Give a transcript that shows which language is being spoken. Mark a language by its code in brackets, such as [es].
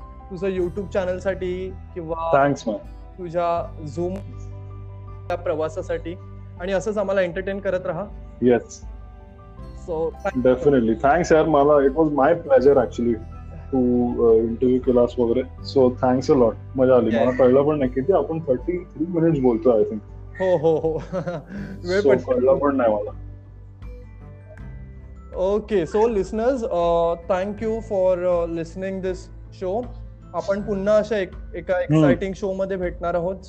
[mr] तुझं YouTube channel साठी किंवा तुझ्या झूम त्या प्रवासासाठी आणि असंच आम्हाला एंटरटेन करत राहा. [en] Yes so definitely thanks यार. [mr] मला [en] it was my pleasure actually to interview [mr] केलास वगैरे. [en] so thanks a lot, [mr] मजा आली. मला कळलं पण नाही किती आपण 33 मिनिट्स बोलतो [en] I think. [mr] हो हो वेळ पण कळलं पण नाही मला. [en] Okay so listeners thank you for listening this show. [mr] आपण पुन्हा अशा एका एक्साइटिंग शो मध्ये भेटणार आहोत.